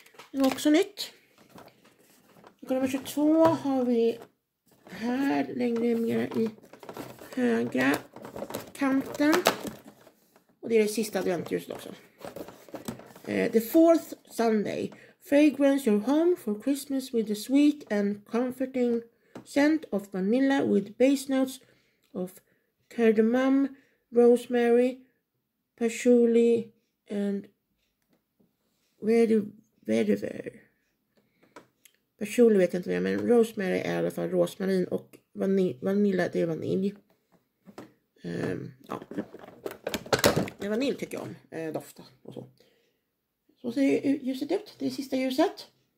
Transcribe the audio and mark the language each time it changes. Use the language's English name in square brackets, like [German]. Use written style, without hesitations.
[Swedish] Det är också nytt. Nummer 22 har vi här längre mer i högra kanten. Och det är det sista adventljuset också. [English] The fourth Sunday. Fragrance your home for Christmas with the sweet and comforting scent of vanilla with base notes of cardamom, rosemary, patchouli and vetiver. [Swedish] Patchouli vet jag inte mer, men rosemary är i alla fall rosmarin och vanilla det är vanilj. Ja. Det är vanilj tycker jag om, dofta och så. Så ser ljuset ut, det är sista ljuset.